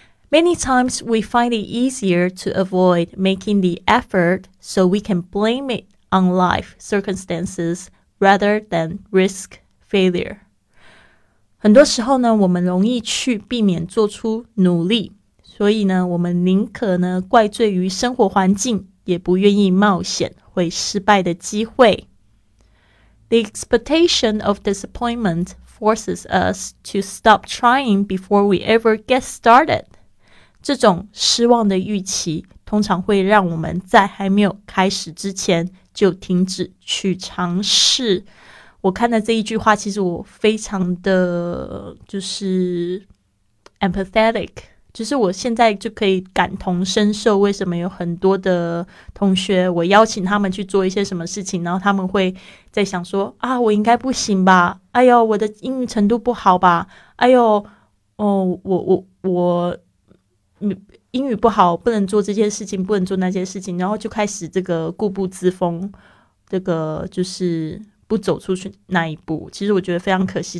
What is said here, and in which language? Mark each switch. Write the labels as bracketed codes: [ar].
[en] Many times we find it easier to avoid making the effort so we can blame it on life circumstances rather than risk failure. [zh] 很多时候呢我们容易去避免做出努力所以呢我们宁可呢怪罪于生活环境也不愿意冒险会失败的机会。 [en] The expectation of disappointmentforces us to stop trying before we ever get started. [zh] 这种失望的预期通常会让我们在还没有开始之前就停止去尝试。我看的这一句话其实我非常的就是 empathetic, 就是我现在就可以感同身受，为什么有很多的同学我邀请他们去做一些什么事情，然后他们会在想说啊，我应该不行吧，哎呦我的英语程度不好吧，哎呦哦，我英语不好，不能做这些事情，不能做那些事情，然后就开始这个固步自封，这个就是不走出去那一步，其实我觉得非常可惜。